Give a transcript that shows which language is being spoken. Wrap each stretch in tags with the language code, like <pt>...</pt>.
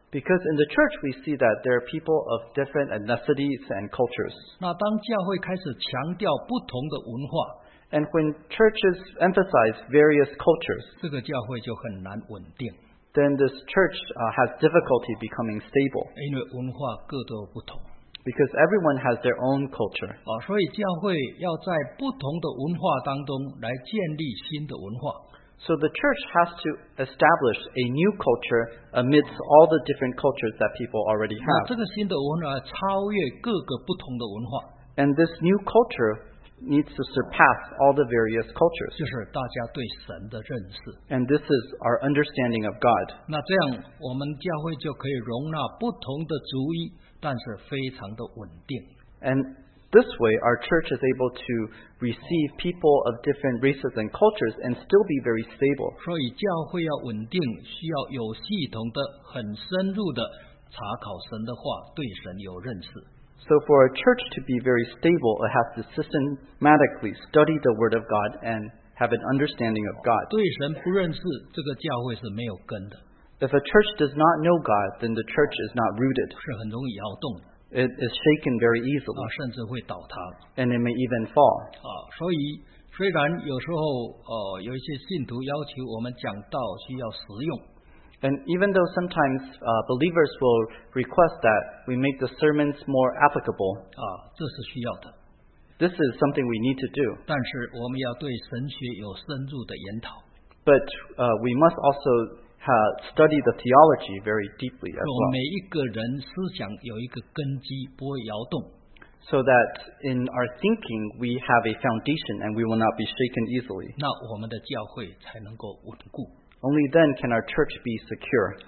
<en>Because in the church, we see that there are people of different ethnicities and cultures.</en> <zh>那当教会开始强调不同的文化,</zh> <en>and when churches emphasize various cultures,</en> <zh>这个教会就很难稳定。</zh> <en>Then this church has difficulty becoming stable.</en> <zh>因为文化各都不同。</zh> <en>Because everyone has their own culture.</en> <zh>所以教会要在不同的文化当中来建立新的文化。</zh> <en>So the church has to establish a new culture amidst all the different cultures that people already have.</en> <zh>这个新的文化超越各个不同的文化。</zh> <en>And this new culture needs to surpass all the various cultures.</en> <zh>就是大家对神的认识。</zh> <en>And this is our understanding of God.</en> <zh>那这样我们教会就可以容纳不同的族裔。但是非常的稳定。</zh> <en>And this way, our church is able to receive people of different races and cultures and still be very stable.</en> <zh>所以教会要稳定, 需要有系统的, 很深入的, 查考神的话, 对神有认识。</zh> <en>So for a church to be very stable, it has to systematically study the word of God and have an understanding of God.</en> <zh>对神不认识, 这个教会是没有根的。</zh> <en>If a church does not know God, then the church is not rooted.</en> <zh>是很容易摇动的。</zh> <en>It is shaken very easily.</en> <zh>甚至会倒塌。</zh> <en>And it may even fall.</en> <zh>所以虽然有时候, 有一些信徒要求我们讲道需要实用。</zh> <en>And even though sometimes believers will request that we make the sermons more applicable,</en> <zh>这是需要的。</zh> <en>This is something we need to do.</en> <zh>但是我们要对神学有深入的研讨。</zh> <en>But we must also study the theology very deeply as well. So that in our thinking, we have a foundation and we will not be shaken easily. Only then can our church be secure.</en>